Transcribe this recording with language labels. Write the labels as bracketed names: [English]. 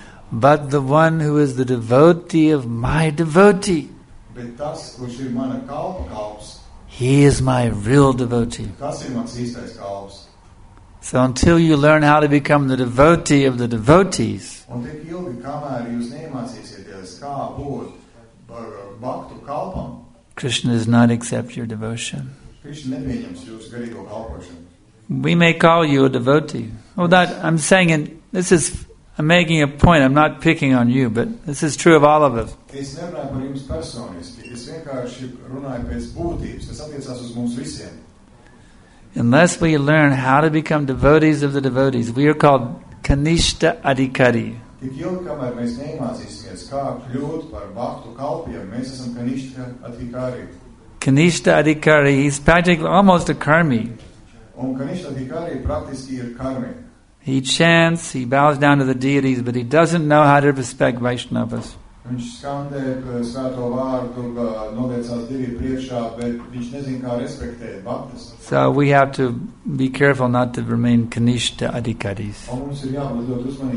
[English] But the one who is the devotee of my devotee, [Latvian] bet tas, kurš ir mana kalpa kalps, [English] he is my real devotee. [Latvian] Tas ir mans īstais kalps. [English] So until you learn how to become the devotee of the devotees, [Latvian] un tik ilgi, kamēr jūs neiemācīsieties, kā būt par baktu kalpam, [English] Krishna does not accept your devotion. [Latvian] Krishna nepieņems jūs garīgo kalpošanu. [English] We may call you a devotee. Well, that, I'm saying, and this is, I'm making a point, I'm not picking on you, but this is true of all of us. [Latvian] Es nerunāju par jums personiski, es vienkārši runāju pēc būtības, kas attiecās uz mums visiem. [English] Unless we learn how to become devotees of the devotees, we are called Kanishta Adhikari. [Latvian] Tik ilgi, kamēr mēs neiemācīsimies, kā kļūt par bhaktu kalpiem, mēs esam Kanishta Adhikari. [English] Kanishta Adhikari is practically almost a karmi. [Latvian] Un Kanishta Adhikari praktiski ir karmi. [English] He chants, he bows down to the deities, but he doesn't know how to respect Vaishnavas. So we have to be careful not to remain Kanishta Adhikaris.